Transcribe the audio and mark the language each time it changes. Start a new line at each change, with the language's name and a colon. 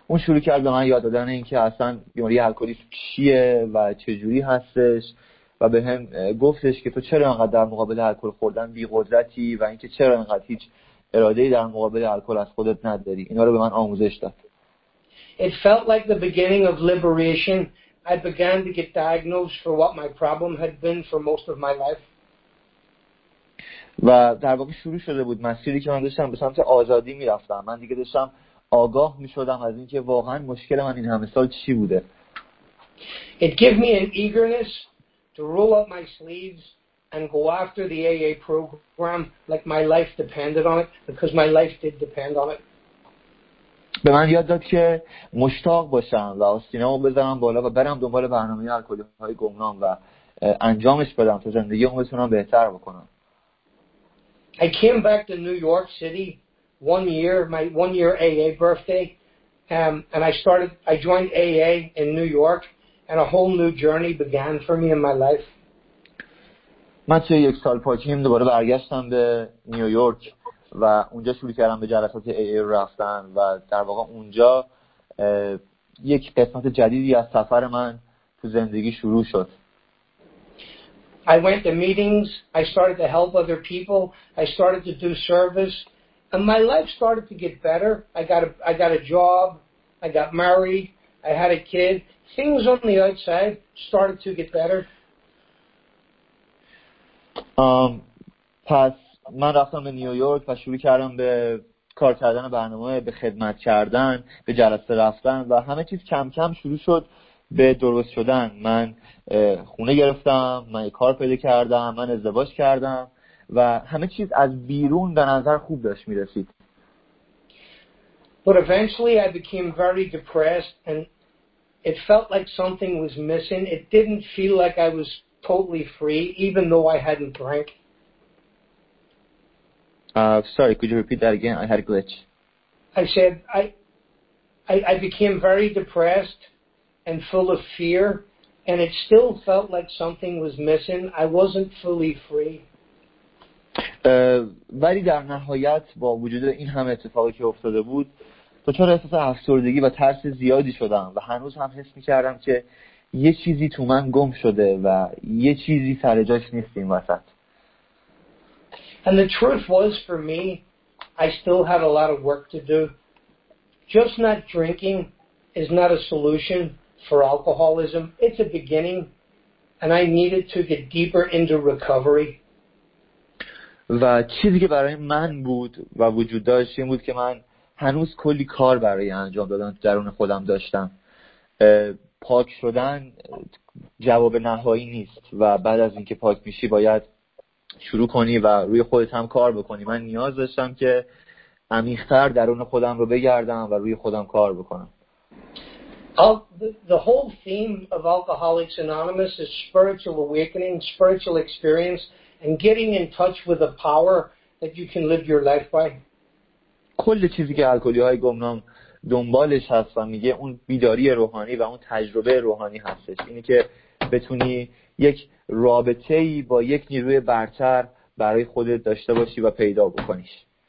Persian: اون شروع کرد به من یاد دادن اینکه اصلا بیماری الکلی چیه و چه جوری هستش و به هم گفتش که تو چرا انقدر در مقابل الکل خوردن بی‌قدرتی و اینکه چرا انقدر هیچ اراده‌ای در مقابل الکل از خودت نداری. اینا رو به من آموزش داد.
English: It felt like the beginning of liberation. I began to get diagnosed for what my problem had been for most of my life.
Persian: و در واقع شروع شده بود مسیری که من داشتم به سمت آزادی می‌رفتم. من دیگه داشتم آگاه می‌شدم از اینکه واقعاً مشکل من این همه سال چی بوده.
English: It gave me an eagerness to roll up my sleeves and go after the AA program like my life depended on it, because my life did depend on it.
Persian: به من یاد داد که مشتاق باشم و آستینه‌مو بذارم بالا و برم دنبال برنامه الکلی‌های گمنام و انجامش بدم تا زندگی‌مو بتونم بهتر بکنم.
English: I came back to New York City my one year AA birthday, and I joined AA in New York, and a whole new journey began for me in my life.
Persian: من توی یک سال پاکیم دوباره برگشتم به نیویورک و اونجا شروع کردم به جلسات AA رفتن و در واقع اونجا یک قسمت جدیدی از سفر من تو زندگی شروع شد.
English: I went to meetings, I started to help other people, I started to do service, and my life started to get better. I got a job, I got married, I had a kid. Things on the outside started to get better.
Persian: پس من رفتم به نیویورک و شروع کردم به کار کردن برنامه، به خدمت کردن، به جلسه رفتن و همه چیز کم کم شروع شد به درست شدن. من خونه گرفتم، من کار پیدا کردم، من ازدواج کردم و همه چیز از بیرون به نظر خوب داشت می رسید.
English: But eventually I became very depressed and it felt like something was missing. It didn't feel like I was totally free even though I hadn't drank. Sorry, could you repeat that again? I had a glitch. I said I became very depressed and full of fear, and it still felt like something was missing. I wasn't fully free.
Persian: ولی در نهایت با وجود این همه اتفاقی که افتاده بود دچار احساس افسردگی و ترس زیادی شدم و هنوز هم حس می‌کردم که یه چیزی تو من گم شده و یه چیزی سر جاش نیست این وسط.
English: And the truth was, for me, I still had a lot of work to do. Just not drinking is not a solution for alcoholism. It's a beginning, and I needed to get deeper into recovery.
Persian: و چیزی که برای من بود و وجود داشت این بود که من هنوز کلی کار برای انجام دادن درون خودم داشتم. پاک شدن جواب نهایی نیست و بعد از اینکه پاک میشی باید شروع کنی و روی خودت هم کار بکنی. من نیاز داشتم که عمیق‌تر درون خودم رو بگردم و روی خودم کار بکنم.
English: The whole theme of Alcoholics Anonymous is spiritual awakening, spiritual experience, and getting in touch with a power that you can live your life by.
Persian: کل چیزی که الکلی‌های گمنام دنبالش هست و میگه اون بیداری روحانی و اون تجربه روحانی هستش. اینه که بتونی یک رابطه‌ای با یک نیروی برتر برای خودت داشته باشی و پیدا بکنیش.